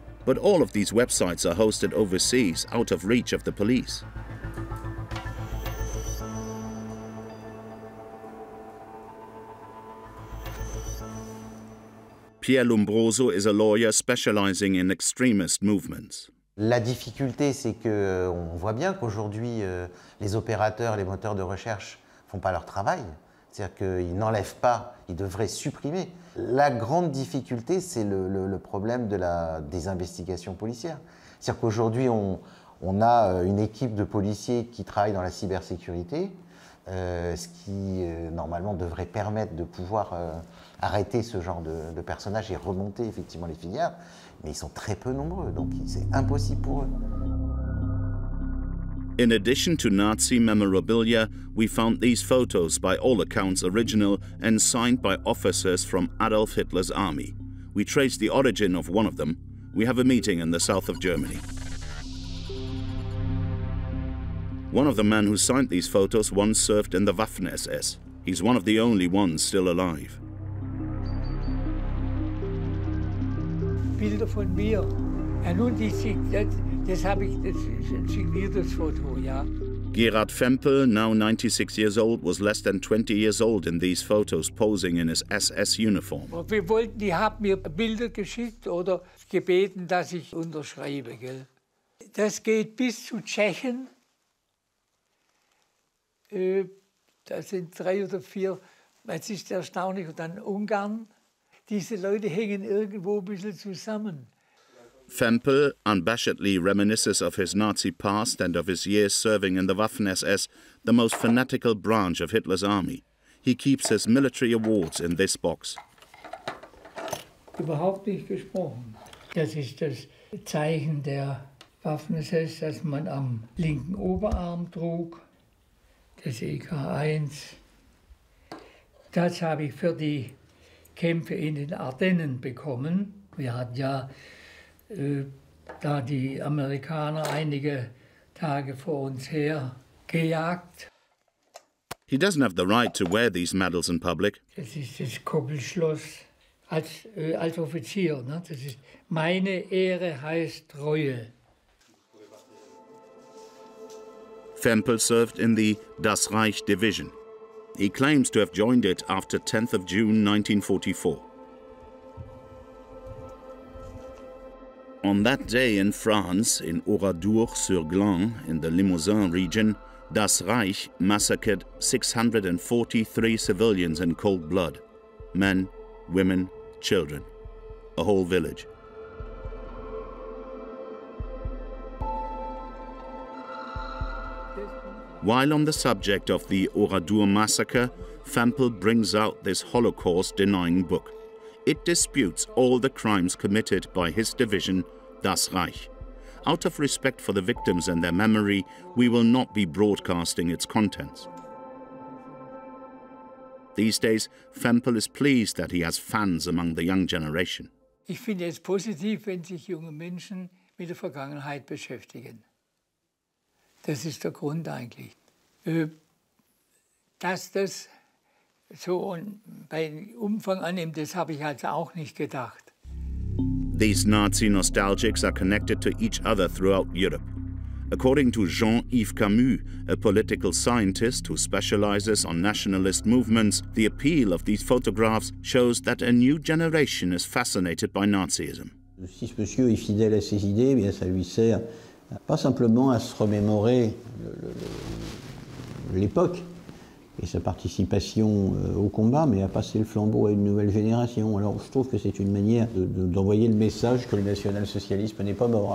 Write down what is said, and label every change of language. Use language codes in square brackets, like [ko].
[en] But all of these websites are hosted overseas, out of reach of the police. Pierre Lombroso is a lawyer specializing in extremist movements. [fr] La difficulté, c'est que on voit bien qu'aujourd'hui les opérateurs, les moteurs de recherche font pas leur travail. C'est-à-dire qu'ils n'enlèvent pas, ils devraient supprimer. La grande difficulté, c'est le problème des investigations policières. C'est-à-dire qu'aujourd'hui, on a une équipe de policiers qui travaille dans la cybersécurité, ce qui, normalement, devrait permettre de pouvoir arrêter ce genre de personnages et remonter effectivement les filières. Mais ils sont très peu nombreux, donc c'est impossible pour eux. [en] In addition to Nazi memorabilia, we found these photos, by all accounts original and signed by officers from Adolf Hitler's army. We traced the origin of one of them. We have a meeting in the south of Germany. One of the men who signed these photos once served in the Waffen-SS. He's one of the only ones still alive. [de] Bilder von mir. Und nun das habe ich, das signiertes Foto, ja. [en] Gerard Fempel, now 96 years old, was less than 20 years old in these photos, posing in his SS uniform. [de] Wir wollten, die haben mir Bilder geschickt oder gebeten, dass ich unterschreibe, gell? Das geht bis zu Tschechien. Da sind drei oder vier, das ist erstaunlich, und dann Ungarn. Diese Leute hängen irgendwo ein bisschen zusammen. [en] Fempel unabashedly reminisces of his Nazi past and of his years serving in the Waffen-SS, the most fanatical branch of Hitler's army. He keeps his military awards in this box. [de] Überhaupt nicht gesprochen. Das ist das Zeichen der Waffen-SS, das man am linken Oberarm trug, das EK1. Das habe ich für die Kämpfe in den Ardennen bekommen. Wir hatten ja da die Amerikaner einige Tage vor uns her gejagt. [en] He doesn't have the right to wear these medals in public. [de] Das ist das Kuppelschloss als Offizier. Ne? Das ist meine Ehre heißt Treue. [en] Fempel served in the Das Reich Division. He claims to have joined it after 10th of June 1944. On that day in France, in Oradour-sur-Glan, in the Limousin region, Das Reich massacred 643 civilians in cold blood. Men, women, children. A whole village. While on the subject of the Oradour massacre, Fempel brings out this Holocaust-denying book. It disputes all the crimes committed by his division, Das Reich. Out of respect for the victims and their memory, we will not be broadcasting its contents. These days, Fempel is pleased that he has fans among the young generation. [de] Ich finde es positiv, wenn sich junge Menschen mit der Vergangenheit beschäftigen. Das ist der Grund eigentlich. Dass das so bei Umfang annimmt, das habe ich also auch nicht gedacht. [en] These Nazi nostalgics are connected to each other throughout Europe. According to Jean-Yves Camus, a political scientist who specializes on nationalist movements, the appeal of these photographs shows that a new generation is fascinated by Nazism. [fr] Si ce monsieur est fidèle à ses idées, bien ça lui sert pas simplement à se remémorer l'époque et sa participation au combat, mais à passer le flambeau à une nouvelle génération. Alors je trouve que c'est une manière d'envoyer le message que le national-socialisme n'est pas mort.